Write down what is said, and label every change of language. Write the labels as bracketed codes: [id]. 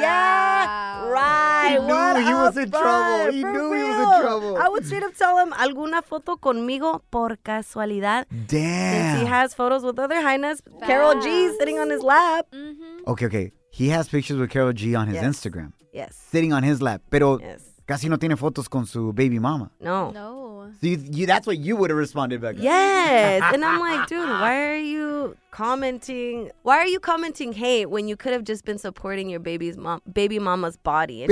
[en] Yeah, right. He knew what he was in trouble. He knew real. He was in trouble. I would straight up tell him, [es] "Alguna foto conmigo por casualidad." [en] Damn. Since he has photos with other highness, Karol G sitting on his lap. Mm-hmm. Okay. He has pictures with Karol G on his Instagram. Yes. Sitting on his lap. [es] Pero casi no tiene fotos con su baby mama. No. [en] So you, that's what you would have responded back. Yes. And I'm like, dude, why are you commenting hate when you could have just been supporting your baby mama's body?